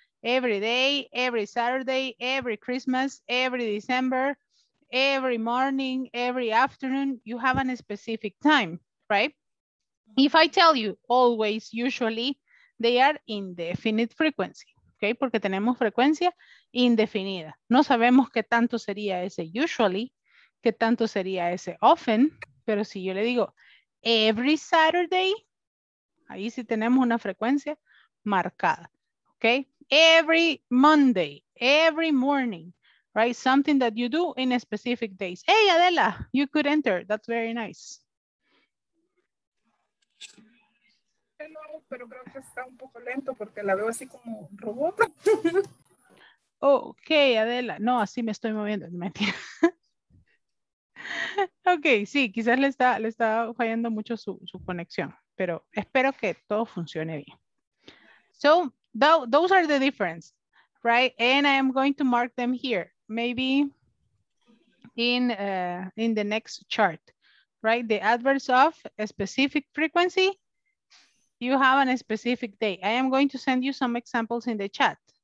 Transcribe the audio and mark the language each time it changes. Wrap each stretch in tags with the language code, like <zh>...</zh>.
<en>Every day, every Saturday, every Christmas, every December, every morning, every afternoon, you have a specific time, right? If I tell you always, usually, they are indefinite frequency, okay?</en> <es>Porque tenemos frecuencia indefinida. No sabemos qué tanto sería ese usually, qué tanto sería ese often, pero si yo le digo</es> <en>every Saturday,</en> <es>ahí sí tenemos una frecuencia marcada, okay?</es> <en>Every Monday, every morning, right? Something that you do in a specific days. Hey, Adela, you could enter. That's very nice.</en> <es>Hello, pero creo que está un poco lento porque la veo así como robot. Okay, Adela. No, así me estoy moviendo. Mentira. Okay, sí, quizás le está fallando mucho su conexión, pero espero que todo funcione bien.</es> <en>So, those are the difference, right? And I am going to mark them here. Maybe in the next chart, right? The adverbs of a specific frequency, you have a specific day. I am going to send you some examples in the chat.</en>